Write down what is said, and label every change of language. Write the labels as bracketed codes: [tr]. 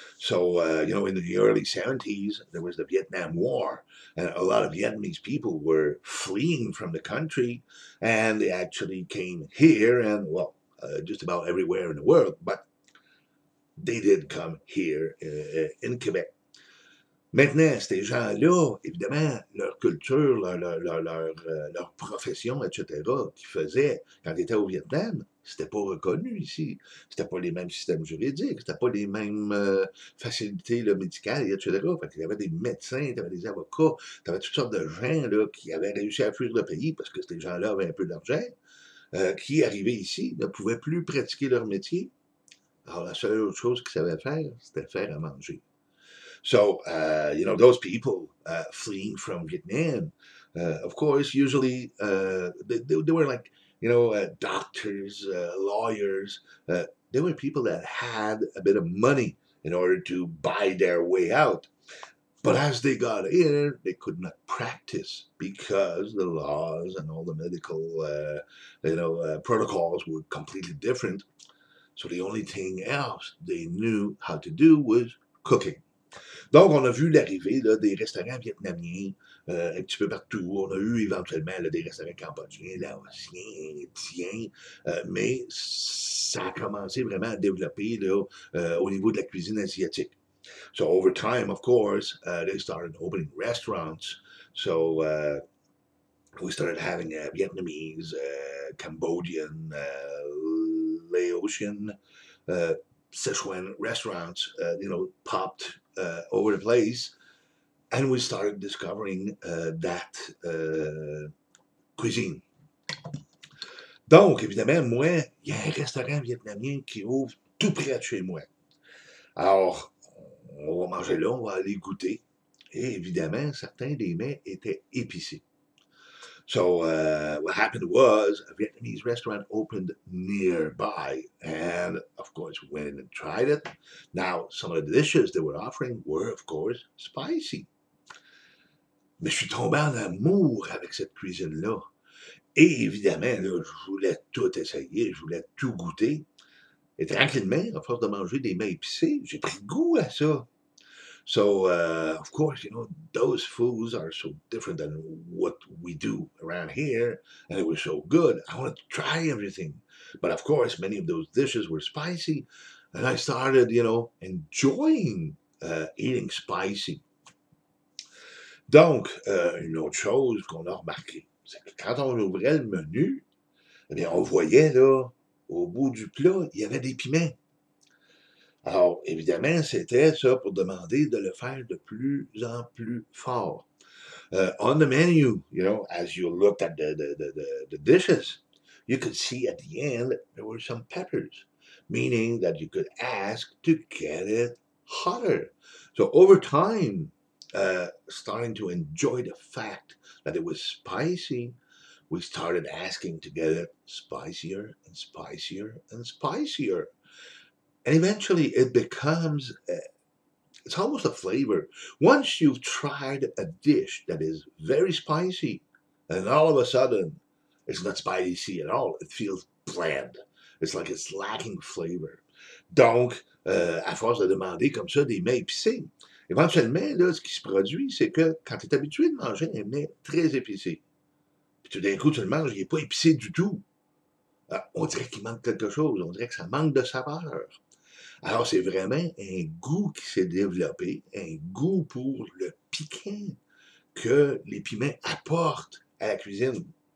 [en] In the early 70s, there was the Vietnam War. And a lot of Vietnamese people were fleeing from the country. And they actually came here and, just about everywhere in the world. But they did come here in Québec. [fr] Maintenant, ces gens-là, évidemment, leur culture, leur profession, etc., qu'ils faisaient quand ils étaient au Vietnam, c'était pas reconnu ici. C'était pas les mêmes systèmes juridiques, c'était pas les mêmes facilités là, médicales, etc. Fait qu'il y avait des médecins, il y avait des avocats, il y avait toutes sortes de gens là, qui avaient réussi à fuir le pays parce que ces gens-là avaient un peu d'argent, qui arrivaient ici, ne pouvaient plus pratiquer leur métier. Alors, la seule autre chose qu'ils savaient faire, c'était faire à manger. [en] So, you know, those people fleeing from Vietnam, of course, usually they were like, you know, doctors, lawyers. They were people that had a bit of money in order to buy their way out. But as they got in, they could not practice because the laws and all the medical, protocols were completely different. So the only thing else they knew how to do was cooking. [fr] Donc, on a vu l'arrivée là, des restaurants vietnamiens un petit peu partout. On a eu éventuellement là, des restaurants cambodgiens, laotiens, indiens, mais ça a commencé vraiment à développer là, au niveau de la cuisine asiatique. [en] So, over time, of course, they started opening restaurants. So, we started having Vietnamese, Cambodian, Laotian, Sichuan restaurants, popped over the place, and we started discovering that cuisine. [fr] Donc, évidemment, moi, il y a un restaurant vietnamien qui ouvre tout près de chez moi. Alors, on va manger là, on va aller goûter. Et évidemment, certains des mets étaient épicés. [en] So, what happened was, a Vietnamese restaurant opened nearby, and, of course, we went in and tried it. Now, some of the dishes they were offering were, of course, spicy. [fr] Mais je suis tombé en amour avec cette cuisine-là. Et évidemment, là, je voulais tout essayer, je voulais tout goûter. Et tranquillement, à force de manger des mets épicés, j'ai pris goût à ça. [en] So, of course, you know, those foods are so different than what we do around here, and it was so good. I wanted to try everything. But, of course, many of those dishes were spicy, and I started, you know, enjoying eating spicy. [fr] Donc, une autre chose qu'on a remarqué, c'est que quand on ouvrait le menu, eh bien, on voyait, là, au bout du plat, il y avait des piments. Alors, évidemment, c'était ça pour demander de le faire de plus en plus fort. [en] On the menu, you know, as you looked at the dishes, you could see at the end there were some peppers, meaning that you could ask to get it hotter. So over time, starting to enjoy the fact that it was spicy, we started asking to get it spicier and spicier and spicier. And eventually it becomes, it's almost a flavor. Once you've tried a dish that is very spicy, and all of a sudden it's not spicy at all, it feels bland. It's like it's lacking flavor. [fr] Donc, à force de demander comme ça des mets épicés, éventuellement, là, ce qui se produit, c'est que quand tu es habitué de manger un mets très épicé, puis tout d'un coup, tu le manges, il n'est pas épicé du tout. On dirait qu'il manque quelque chose, on dirait que ça manque de saveur. Alors, c'est vraiment un goût qui s'est développé, un goût pour le piquant que les piments apportent à la cuisine.